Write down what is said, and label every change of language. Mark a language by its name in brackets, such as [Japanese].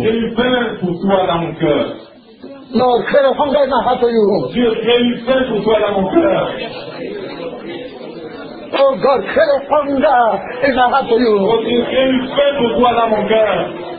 [French] J'ai une faim pour toi dans mon cœur. [English] No, create a hunger in my heart for you. [French] Dieu, j'ai une faim pour toi dans mon cœur. [English] Oh God, create a hunger in my heart for you. [French] Oh Dieu, j'ai une faim pour toi dans mon cœur.